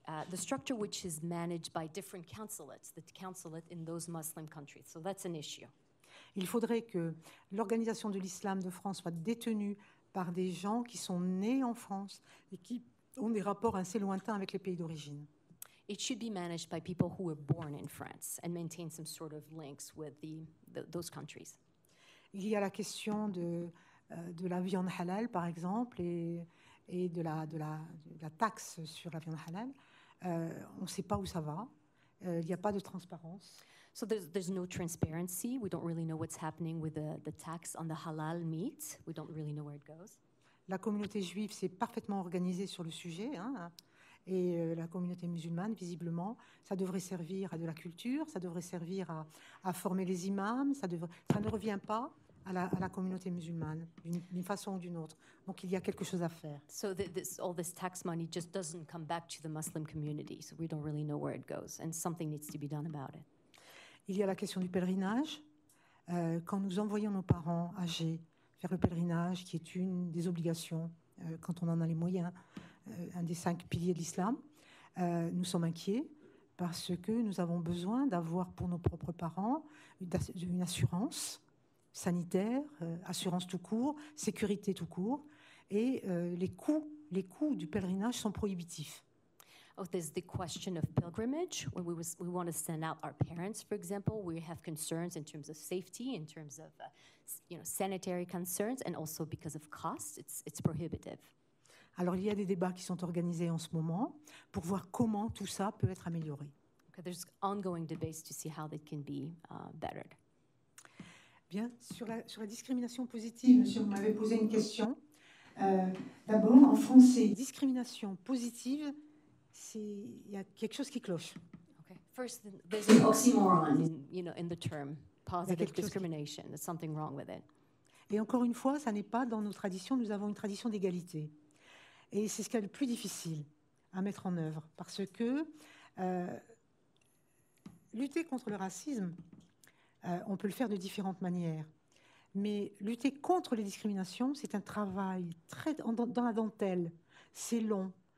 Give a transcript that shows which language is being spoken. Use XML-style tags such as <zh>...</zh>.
<en>The structure which is managed by different consulates, the consulate in those Muslim countries. So that's an issue.</en> <fr>Il faudrait que l'organisation de l'islam de France soit détenue par des gens qui sont nés en France et qui ont des rapports assez lointains avec les pays d'origine.</fr> <en>It should be managed by people who were born in France and maintain some sort of links with those countries.</en> <fr>Il y a la question de la viande halal, par exemple, et de la taxe sur la viande halal. On ne sait pas où ça va. Il n'y a pas de transparence.</fr> <en>So there's no transparency. We don't really know what's happening with the tax on the halal meat. We don't really know where it goes.</en> <fr>La communauté juive s'est parfaitement organisée sur le sujet, hein. Et la communauté musulmane, visiblement, ça devrait servir à de la culture, ça devrait servir à former les imams, ça ne revient pas à la communauté musulmane d'une façon ou d'une autre. Donc il y a quelque chose à faire.</fr> <en>So all this tax money just doesn't come back to the Muslim community, so we don't really know where it goes, and something needs to be done about it.</en> <fr>Il y a la question du pèlerinage. Quand nous envoyons nos parents âgés faire le pèlerinage, qui est une des obligations quand on en a les moyens, un des cinq piliers de l'islam, nous sommes inquiets parce que nous avons besoin d'avoir pour nos propres parents une assurance sanitaire, assurance tout court, sécurité tout court, et les coûts du pèlerinage sont prohibitifs.</fr> <en>Oh, there's the question of pilgrimage. When we want to send out our parents, for example, we have concerns in terms of safety, in terms of sanitary concerns, and also because of cost, it's prohibitive.</en> <fr>Alors, il y a des débats qui sont organisés en ce moment pour voir comment tout ça peut être amélioré.</fr> <en>Okay, there's ongoing debates to see how that can be bettered.</en> <fr>Bien, sur la discrimination positive, monsieur, vous m'avez posé une question. D'abord, en français, discrimination positive, il y a quelque chose qui cloche. Okay.</fr> <en>First, there's an oxymoron in the term positive discrimination. There's something wrong with it.</en> <fr>Et encore une fois, ça n'est pas dans nos traditions. Nous avons une tradition d'égalité. Et c'est ce qui est le plus difficile à mettre en œuvre, parce que lutter contre le racisme, on peut le faire de différentes manières. Mais lutter contre les discriminations, c'est un travail très dans la dentelle. C'est long.</fr>